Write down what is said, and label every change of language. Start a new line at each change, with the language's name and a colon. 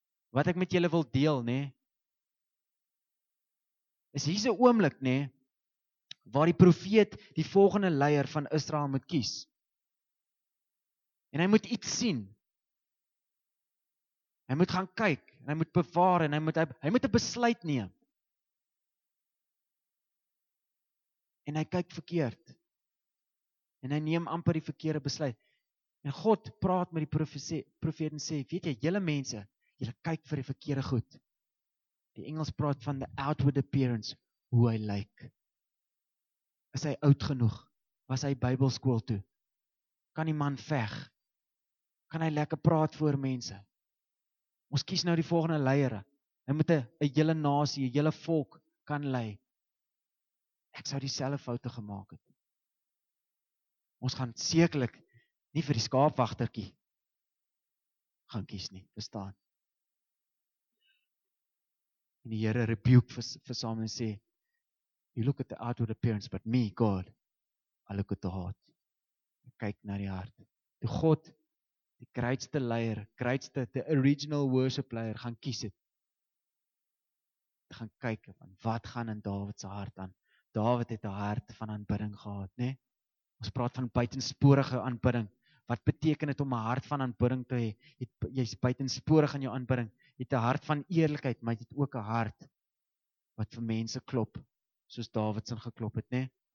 Afrikaans: Wat ek met julle wil deel, né? Is hier 'n oomblik, né, waar die profeet die volgende leier van Israel moet kies. En hy moet iets sien. Hy moet gaan kyk. En hy moet bewaar en hy moet 'n besluit neem. En hy kyk verkeerd. En hy neem amper die verkeerde besluit. En God praat met die profeet en sê, "Weet jy, julle mense, julle kyk vir die verkeerde goed." Die Engels praat van
English: the outward appearance,
Afrikaans: hoe hy lyk. Is hy oud genoeg? Was hy Bybelskool toe? Kan die man veg? Kan hy lekker praat voor mense? Ons kies nou die volgende leiere. Hy moet 'n hele nasie, 'n hele volk kan lei. Ek sou dieselfde foute gemaak het. Ons gaan sekerlik nie vir die skaapwagtertjie gaan kies nie, verstaan? En die Here rebuke vir Samuel en sê,
English: "You look at the outward appearance, but me, God, I look at the heart."
Afrikaans: Ek kyk na die hart. Toe God die grootste leier, the original worship leier gaan kies het, te gaan kyk van wat gaan in Dawid se hart aan. Dawid het 'n hart van aanbidding gehad, né? Ons praat van buitensporige aanbidding. Wat beteken dit om 'n hart van aanbidding te hê? Jy's buitensporig in jou aanbidding. Jy het 'n hart van eerlikheid, maar jy het ook 'n hart wat vir mense klop, soos Dawid sin geklop het, né?